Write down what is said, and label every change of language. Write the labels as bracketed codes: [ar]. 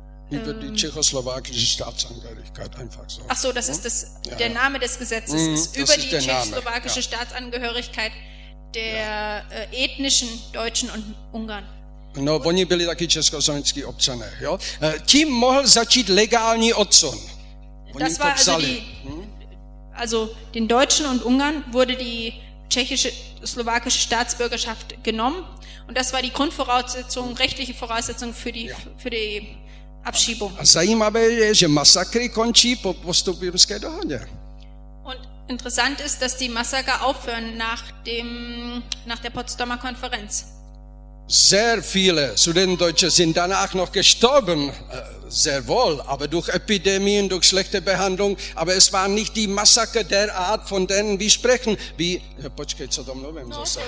[de] über die tschechoslowakische Staatsangehörigkeit einfach so. Ach so, das ist das, ja, der Name des Gesetzes, ist über ist die tschechoslowakische Staatsangehörigkeit der ethnischen Deutschen und Ungarn. [cs] No, oni byli taky československý občané, jo? Tím mohl začít legální odsun. Oni das war to psali. [de] Also den Deutschen und Ungarn wurde die tschechische, slowakische Staatsbürgerschaft genommen und das war die Grundvoraussetzung, rechtliche Voraussetzung für die, für die Abschiebung. [cs] A zajímavé je, že masakry končí po postupimské dohodě. [de] Und interessant ist, dass die Massaker aufhören nach dem, nach der Potsdamer Konferenz. Sehr viele Sudetendeutsche sind danach noch gestorben, sehr wohl, aber durch Epidemien, durch schlechte Behandlung, aber es waren nicht die Massaker der Art, von denen wir sprechen, wie, [cs] počkej, co tam mluvím zase.